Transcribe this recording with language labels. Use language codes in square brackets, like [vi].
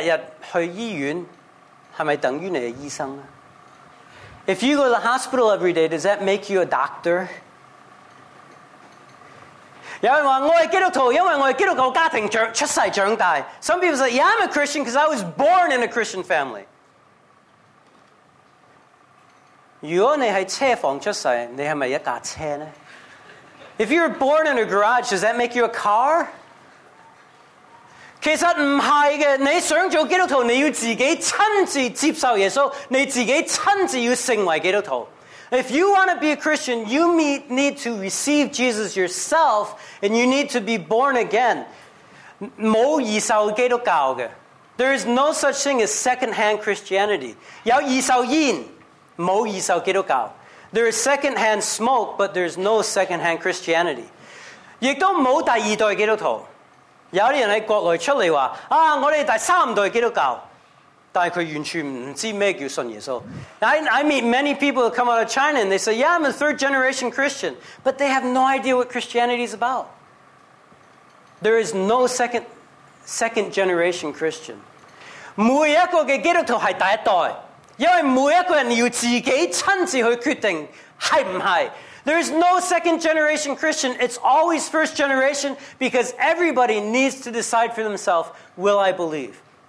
[zh] 那我问你呢,如果日日去医院,是不是等于你是医生呢? [en] If you go to the hospital every day, does that make you a doctor? [zh] 有人说,我是基督徒,因为我是基督徒家庭出世长大. [en] Some people say, yeah, I'm a Christian because I was born in a Christian family. [zh] 如果你是车房出世,你是不是一架车呢? [en] If you were born in a garage, does that make you a car? [zh] 其实不是的,你想做基督徒,你要自己亲自接受耶稣,你自己亲自要成为基督徒. [en] If you want to be a Christian, you need to receive Jesus yourself, and you need to be born again. [zh] 没有二受基督教的. [en] There is no such thing as second-hand Christianity. [zh] 有二受烟, 没有二受基督教. [en] There is second-hand smoke, but there is no second-hand Christianity. [zh] 也没有第二代基督徒. 有些人在国内出来说, 啊, 我们是第三代基督教. 但他完全不知道什么叫信耶稣. [en] I meet many people who come out of China and they say, yeah, I'm a third generation Christian, but they have no idea what Christianity is about. There is no second generation Christian. [zh] 每一个基督徒是第一代, 因为每一个人要自己亲自去决定是不是. [en] There is no second generation Christian. It's always first generation because everybody needs to decide for themselves, will I believe?